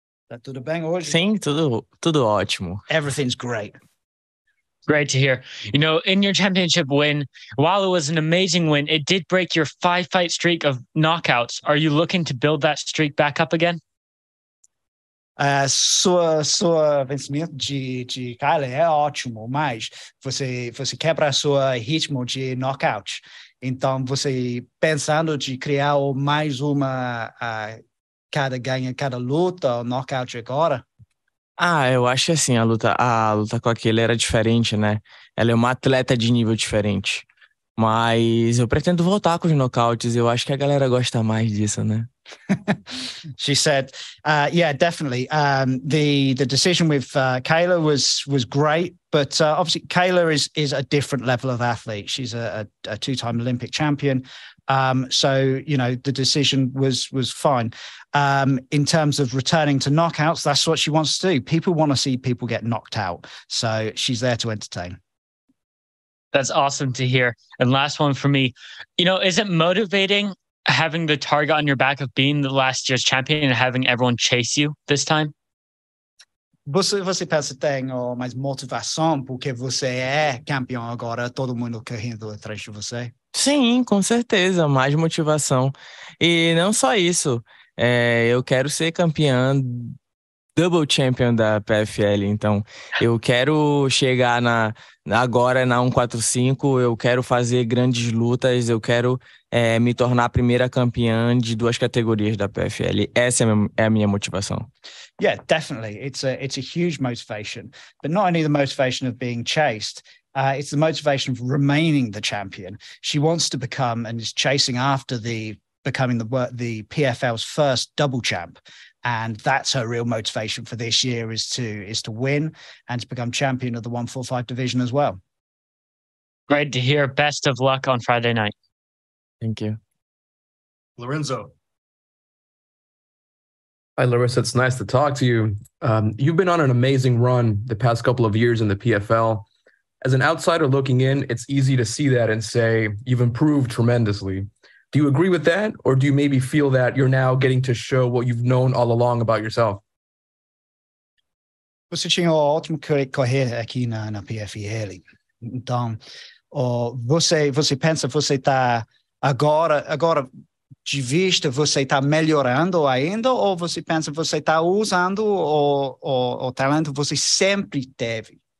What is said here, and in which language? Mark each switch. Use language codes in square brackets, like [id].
[pt] Tá tudo bem hoje? Sim, tudo ótimo. [en] Everything's great. Great to hear. You know, in your championship win, while it was an amazing win, it did break your 5-fight streak of knockouts. Are you looking to build that streak back up again? [pt] Sua vencimento de Kyle é ótimo, mas você quebra seu ritmo de knockout. Então, você pensando de criar mais uma cada ganha, cada luta, o knockout agora? Ah, eu acho assim, a luta com aquele era diferente, né? Ela é uma atleta de nível diferente. Mas eu pretendo voltar com os nocautes. Eu acho que a galera gosta mais disso, né? [en] She said, yeah, definitely. The decision with Kayla was great, but obviously Kayla is a different level of athlete. She's a two-time Olympic champion. So, you know, the decision was fine. In terms of returning to knockouts, that's what she wants to do. People want to see people get knocked out. So she's there to entertain. That's awesome to hear. And last one for me, you know, is it motivating having the target on your back of being the last year's champion and having everyone chase you this time? [pt] Você pensa que tem mais motivação porque você é campeão agora, todo mundo correndo atrás de você? Sim, com certeza, mais motivação. E não só isso, eu quero ser campeã, [en] double champion [pt] da PFL. Então, eu quero chegar agora na 145, eu quero fazer grandes lutas, eu quero me tornar a primeira campeã de duas categorias da PFL. Essa é a minha motivação. [en] Yeah, definitely. It's a huge motivation. But not only the motivation of being chased, it's the motivation of remaining the champion. She wants to become and is chasing after becoming the PFL's first double champ. And that's her real motivation for this year is to win and to become champion of the 145 division as well. Great to hear. Best of luck on Friday night. Thank you. Lorenzo. Hi, Larissa. It's nice to talk to you. You've been on an amazing run the past couple of years in the PFL. As an outsider looking in, it's easy to see that and say you've improved tremendously. Do you agree with that? Or do you maybe feel that you're now getting to show what you've known all along about yourself? [pt] Você tinha uma ótima carreira aqui na PFL. Então, você pensa, você está agora, de vista, você está melhorando ainda? Ou você pensa, você está usando o talento que você sempre teve?